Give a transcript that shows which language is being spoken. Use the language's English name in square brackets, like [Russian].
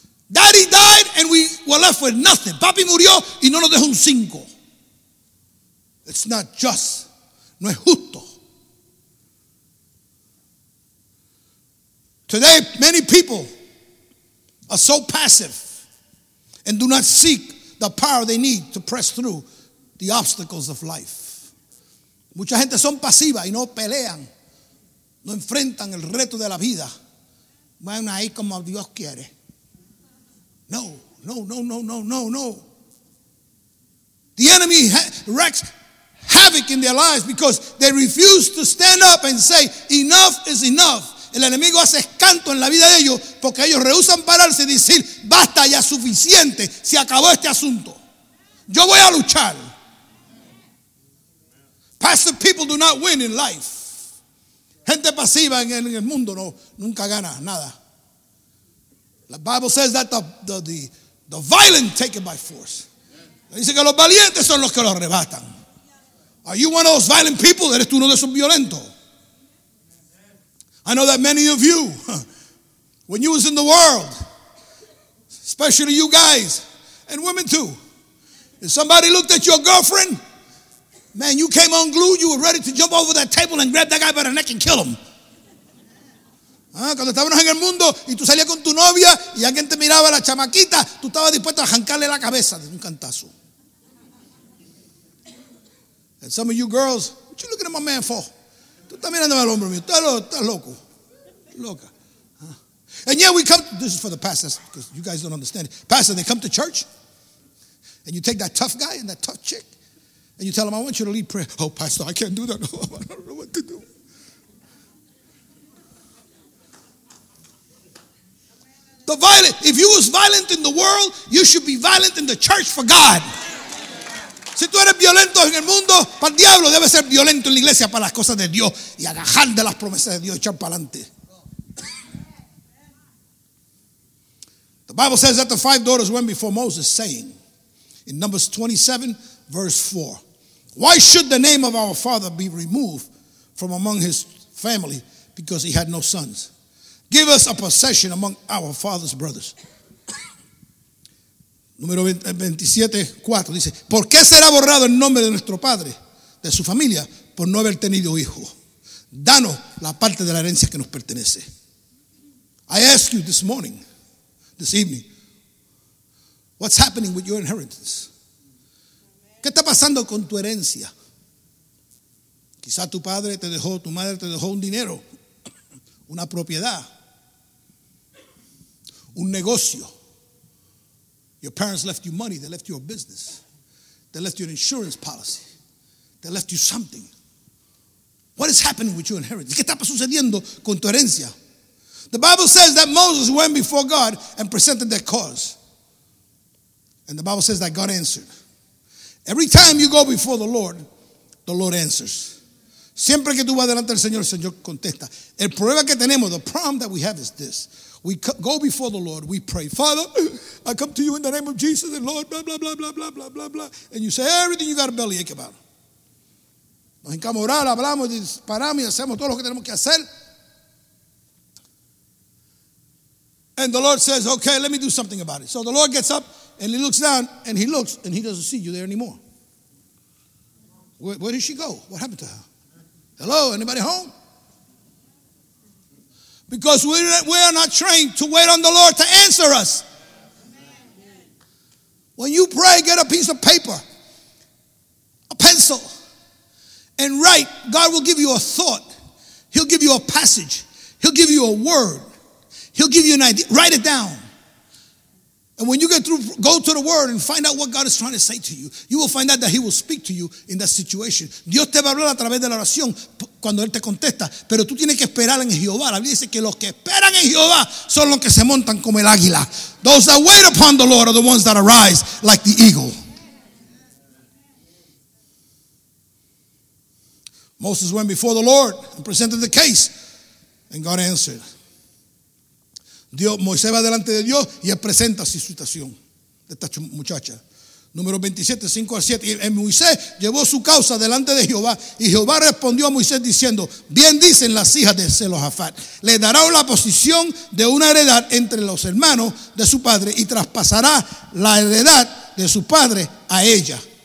[English] Daddy died and we were left with nothing. [Spanish] Papi murió y no nos dejó un cinco. [English] It's not just. [Spanish] No es justo. [English] Today, many people are so passive and do not seek the power they need to press through the obstacles of life. [Spanish] Mucha gente son pasiva y no pelean, no enfrentan el reto de la vida. Van ahí como Dios quiere. No, no, no, no, no, no, no. [English] The enemy wreaks havoc in their lives because they refuse to stand up and say, enough is enough. [Spanish] El enemigo hace escanto en la vida de ellos porque ellos rehusan pararse y decir, basta, ya es suficiente, se acabó este asunto. Yo voy a luchar. [English] Passive people do not win in life. [Spanish] Gente pasiva en el mundo no, nunca gana nada. [English] The Bible says that the violent take it by force. [Spanish] Dice que los valientes son los que lo arrebatan. [English] Are you one of those violent people? [Spanish] ¿Eres tú uno de esos violentos? [English] I know that many of you, when you was in the world, especially you guys and women too, if somebody looked at your girlfriend, man, you came unglued, you were ready to jump over that table and grab that guy by the neck and kill him. [Spanish] Cuando estábamos en el mundo y tú salías con tu novia y alguien te miraba la chamaquita, tú estabas dispuesto a arrancarle la cabeza de un cantazo. [English] And some of you girls, what you looking at my man for? [Spanish] Tú estás mirando al hombre mío. Estás loco. Loca. [English] And yet we come, this is for the pastors, because you guys don't understand it. Pastor, they come to church, and you take that tough guy and that tough chick, and you tell them, I want you to lead prayer. Oh, pastor, I can't do that. I don't know what to do. The violent, if you was violent in the world, you should be violent in the church for God. [Spanish] Si tú eres violento en el mundo, para el diablo debe ser violento en la iglesia para las cosas de Dios y agarrar de las promesas de Dios y echar para adelante. [English] The Bible says that the five daughters went before Moses saying in Numbers 27 verse 4, why should the name of our father be removed from among his family because he had no sons? Give us a possession among our father's brothers. [Spanish] Número 27:4 dice, ¿por qué será borrado el nombre de nuestro padre, de su familia, por no haber tenido hijo? Danos la parte de la herencia que nos pertenece. [English] I ask you this morning, this evening, what's happening with your inheritance? [Spanish] ¿Qué está pasando con tu herencia? Quizá tu padre te dejó, tu madre te dejó un dinero, una propiedad, un negocio. [English] Your parents left you money, they left you a business. They left you an insurance policy. They left you something. What is happening with your inheritance? [Spanish] ¿Qué está sucediendo con tu herencia? [English] The Bible says that Moses went before God and presented their cause. And the Bible says that God answered. Every time you go before the Lord answers. [Spanish] Siempre que tú vas delante del Señor, el Señor contesta. El problema que tenemos, [English] the problem that we have is this. We go before the Lord, we pray, Father, I come to you in the name of Jesus, and Lord, blah, blah, blah, blah, blah, blah, blah, blah. And you say everything you got a bellyache about. [Spanish] Nos encamos a orar, hablamos, disparamos y hacemos todo lo que tenemos que hacer. [English] And the Lord says, okay, let me do something about it. So the Lord gets up and he looks down and he looks and he doesn't see you there anymore. Where did she go? What happened to her? Hello, anybody home? Because we are not trained to wait on the Lord to answer us. When you pray, get a piece of paper, a pencil, and write. God will give you a thought. He'll give you a passage. He'll give you a word. He'll give you an idea. Write it down. And when you get through, go to the word and find out what God is trying to say to you. You will find out that he will speak to you in that situation. [Spanish] Dios te va a hablar a través de la oración cuando él te contesta. Pero tú tienes que esperar en Jehová. La Biblia dice que los que esperan en Jehová son los que se montan como el águila. [English] Those that wait upon the Lord are the ones that arise like the eagle. Moses went before the Lord and presented the case. And God answered. [Spanish] Dios, Moisés va delante de Dios y él presenta su situación de esta muchacha. Número 27, 5 al 7. Y Moisés llevó su causa delante de Jehová. Y Jehová respondió a Moisés diciendo: bien dicen las hijas de Zelofehad. Le dará la posición de una heredad entre los hermanos de su padre y traspasará la heredad de su padre a ella.